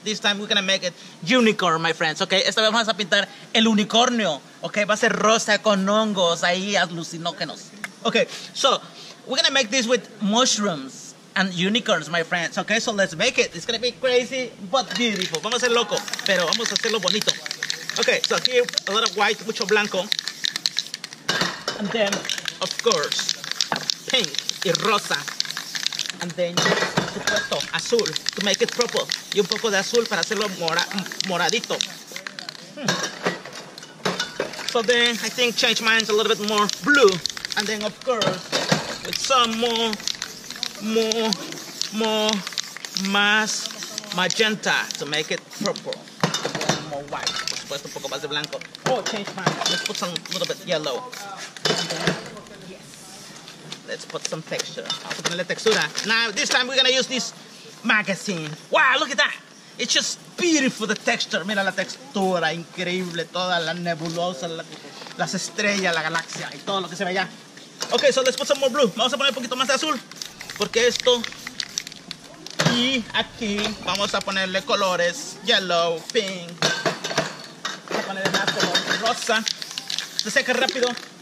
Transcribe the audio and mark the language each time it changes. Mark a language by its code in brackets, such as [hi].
[en] This time we're gonna make it unicorn, my friends, okay? [es] Esta vez vamos a pintar el unicornio, okay? Va a ser rosa con hongos ahí alucinógenos. [en] Okay, so we're gonna make this with mushrooms and unicorns, my friends, okay? So let's make it. It's gonna be crazy but beautiful. [es] Vamos a ser loco, pero vamos a hacerlo bonito. [en] Okay, so here a lot of white, [es] mucho blanco. [en] And then, of course, pink [es] y rosa. [en] And then, [es] supuesto, azul, [en] to make it purple. [es] Y un poco de azul para hacerlo moradito. [en] So then, I think change mine a little bit more blue. And then, of course, with some más magenta to make it purple. More white, [es] por supuesto, un poco más de blanco. [en] Oh, change mine. Let's put some little bit yellow. Let's put some texture. [es] Vamos a ponerle textura. [en] Now, this time we're gonna use this magazine. Wow, look at that. It's just beautiful, the texture. [es] Mira la textura, increíble. Toda la nebulosa, las estrellas, la galaxia y todo lo que se ve allá. [en] Okay, so let's put some more blue. [es] Vamos a poner un poquito más de azul. Porque esto. Y aquí vamos a ponerle colores. [en] Yellow, pink. [es] Vamos a ponerle más color rosa. Se seca rápido.